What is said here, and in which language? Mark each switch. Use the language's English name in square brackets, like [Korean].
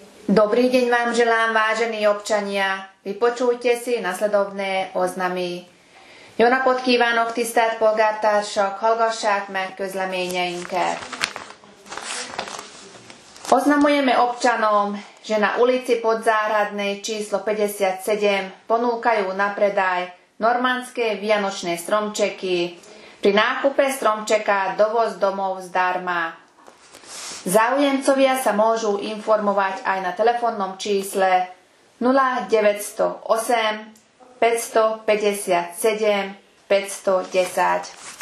[Slovak] Dobrý deň vám želám, vážení občania. Vypočujte si nasledovné oznamy. [Hungarian] Jó napot kívánok, tisztelt polgártársak, hallgassák meg közleményeinket. [Slovak] Oznamujeme občanom, že na ulici Podzáhradnej číslo 57 ponúkajú na predaj normandské vianočné stromčeky. Pri nákupe stromčeka dovoz domov zdarma. Záujemcovia sa môžu informovať aj na telefónnom čísle 0908 557 510.